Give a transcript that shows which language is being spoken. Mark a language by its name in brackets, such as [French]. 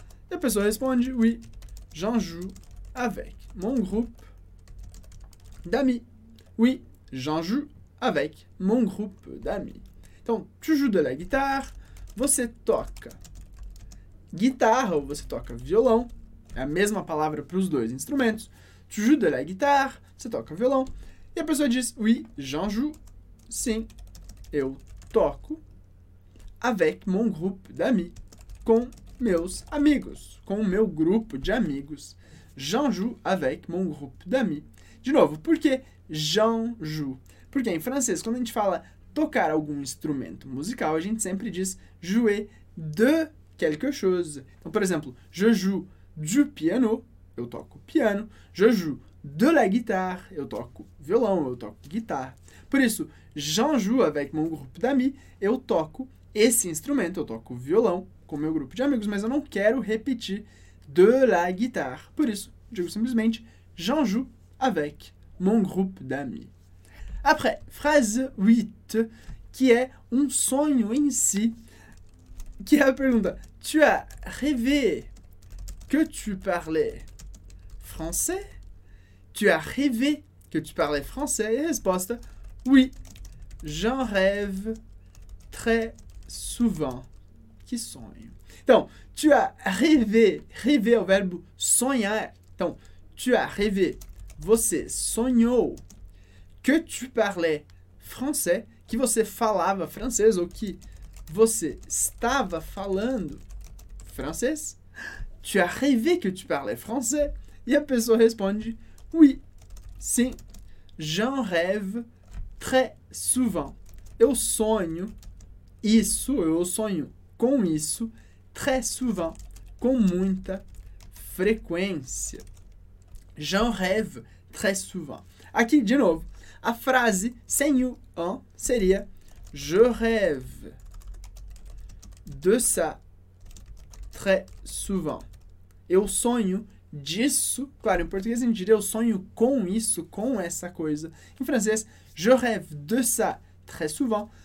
[Portuguese] E a pessoa responde, [French] oui, j'en joue avec mon groupe d'amis. Oui, j'en joue avec mon groupe d'amis. [Portuguese] Então, [French] tu joues de la guitare? [Portuguese] você toca guitarra ou você toca violão. É a mesma palavra para os dois instrumentos. [French] Tu joues de la guitare, [Portuguese] você toca violão. E a pessoa diz, [French] oui, j'en joue. [Portuguese] Sim, eu toco [French] avec mon groupe d'amis, [Portuguese] com meus amigos, com o meu grupo de amigos. [French] J'en joue avec mon groupe d'amis. [Portuguese] De novo, por que [French] j'en joue? [Portuguese] Porque em francês, quando a gente fala tocar algum instrumento musical, a gente sempre diz [French] jouer de quelque chose. [Portuguese] Então, por exemplo, [French] je joue du piano, [Portuguese] eu toco piano. [French] Je joue de la guitare, [Portuguese] eu toco violão, eu toco guitarra. Por isso, [French] j'en joue avec mon groupe d'amis, [Portuguese] eu toco esse instrumento, eu toco violão com meu grupo de amigos, mas eu não quero repetir [French] de la guitare. [Portuguese] Por isso, digo simplesmente [French] j'en joue avec mon groupe d'amis. Après, [Portuguese] phrase 8, que é um sonho em si, que é a pergunta: [French] tu as rêvé que tu parlais français? Tu as rêvé que tu parlais français? Et [Portuguese] resposta: [French] oui, j'en rêve très souvent. [Portuguese] Que sonho. Então, [French] tu as rêvé, [Portuguese] rêvé é o verbo sonhar. Então, [French] tu as rêvé, [Portuguese] você sonhou [French] que tu parlais français, [Portuguese] que você falava francês ou que você estava falando francês. [French] Tu as rêvé que tu parlais français? [Portuguese] E a pessoa responde, [French] oui, [Portuguese] sim, [French] j'en rêve très souvent. [Portuguese] Eu sonho isso, eu sonho com isso, [French] très souvent, [Portuguese] com muita frequência. [French] J'en rêve très souvent. [Portuguese] Aqui, de novo, a frase sem o en seria [French] je rêve de ça très souvent. [Portuguese] Eu sonho disso. Claro, em português a gente diria eu sonho com isso, com essa coisa. Em francês, [French] je rêve de ça très souvent.